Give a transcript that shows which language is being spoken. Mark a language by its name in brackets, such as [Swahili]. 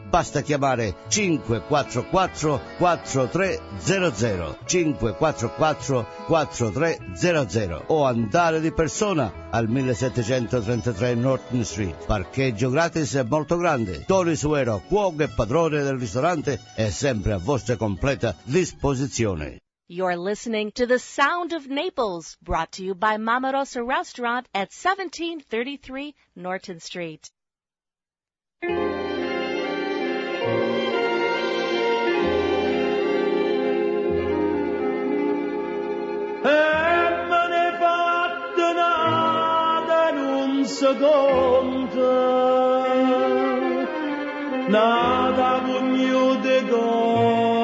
[Italian] Basta chiamare 544-4300, 544-4300, o andare di persona al 1733 Norton Street. Parcheggio gratis e molto grande. Tony Suero, cuoco e padrone del ristorante, è sempre a vostra completa disposizione. [English] You're listening to The Sound of Naples, brought to you by Mamma Rosa Restaurant at 1733 Norton Street. E me ne fatto nada in un secondo, nada bugno de gola.